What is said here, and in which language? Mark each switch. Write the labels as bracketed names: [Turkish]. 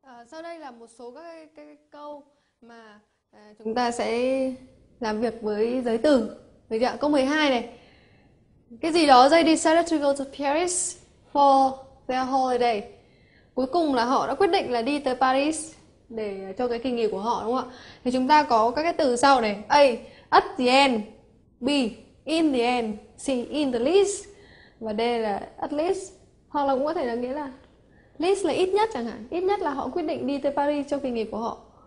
[Vietnamese] Sau đây là một số các cái câu mà chúng ta sẽ làm việc với giới từ. Vậy ạ, câu 12 này. Cái gì đó [English] they decided to go to Paris for their holiday. [Vietnamese] Cuối cùng là họ đã quyết định là đi tới Paris để cho cái kỳ nghỉ của họ, đúng không ạ? Thì chúng ta có các cái từ sau này. [English] A. At the end. B. In the end. C. In the least. Và D là at least. [Vietnamese] Hoặc là cũng có thể là nghĩa là least là ít nhất chẳng hạn. Ít nhất là họ quyết định đi tới Paris cho kỳ nghỉ của họ.